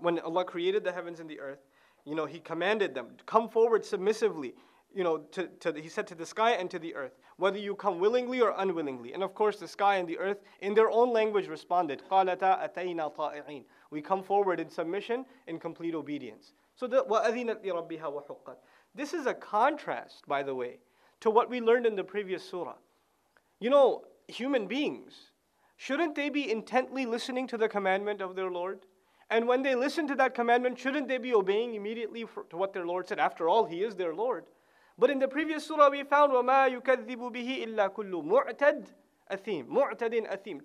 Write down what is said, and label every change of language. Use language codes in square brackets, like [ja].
[en] When Allah created the heavens and the earth, you know, he commanded them, come forward submissively, you know, he said to the sky and to the earth, whether you come willingly or unwillingly. And of course, the sky and the earth, in their own language, responded, [ar] قَالَتَا أَتَيْنَا طَائِعِينَ. [en] We come forward in submission, in complete obedience. So, [ar] وَأَذِنَتْ لِرَبِّهَا وَحُقَّتْ. [en] This is a contrast, by the way, to what we learned in the previous surah. You know, human beings, shouldn't they be intently listening to the commandment of their Lord? And when they listen to that commandment, shouldn't they be obeying immediately to what their Lord said? After all, He is their Lord. But in the previous surah, we found [ar] وَمَا يُكَذِّبُ بِهِ إِلَّا كُلُّ مُعْتَدٍ أَثِيمٍ.